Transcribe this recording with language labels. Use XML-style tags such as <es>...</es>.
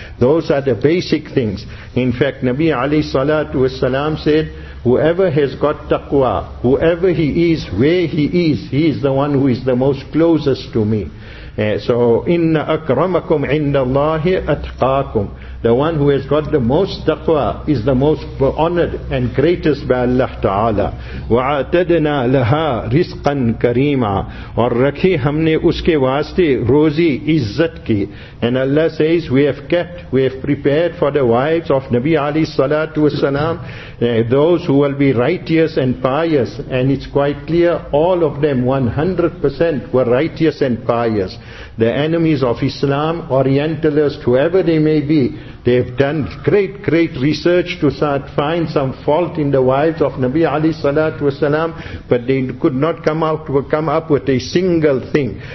<en>Those are the basic things. In fact, Nabi Ali Salatu Wasalam said, whoever has got taqwa, whoever he is, where he is the one who is the most closest to me.</en> <ar>So, inna akramakum inda Allahi atqakum.</ar> <en>The one who has got the most taqwa is the most honored and greatest by Allah Ta'ala.</en> <ar>وَعَتَدْنَا لَهَا رِزْقًا كَرِيمًا</ar> <ur>اور رکھی ہم نے اس کے واسطے روزی عزت کی.</ur> <en>And Allah says, we have prepared for the wives of Nabi Ali Salatu Wasalam, those who will be righteous and pious. And it's quite clear, all of them 100% were righteous and pious. The enemies of Islam, Orientalists, whoever they may be, they have done great research to find some fault in the wives of Nabi Ali Salatu Wasalam, but they could not come up with a single thing.</en>